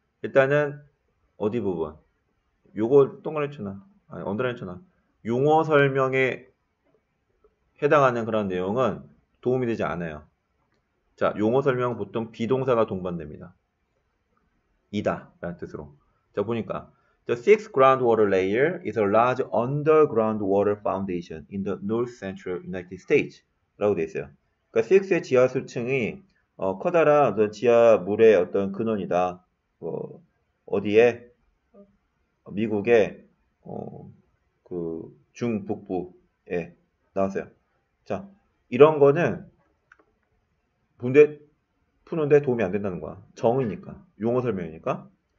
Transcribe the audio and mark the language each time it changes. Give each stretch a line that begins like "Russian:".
Korean: 일단은 어디 부분? 요거 동그라미 쳐놔. 아니 언더라인 쳐놔. 용어 설명에 해당하는 그런 내용은 도움이 되지 않아요. 자 용어 설명은 보통 비동사가 동반됩니다. 이다 라는 뜻으로. 자 보니까
English: The sixth groundwater layer is a large underground water foundation in the north central United States.
Korean: 라고 되어 있어요. 그러니까 sixth의 지하수층이 커다란 어떤 지하물의 어떤 근원이다. 어디에? 미국의 그 중북부에 나왔어요. 자, 이런 거는 문제 푸는데 도움이 안 된다는 거야. 정의니까. 용어 설명이니까.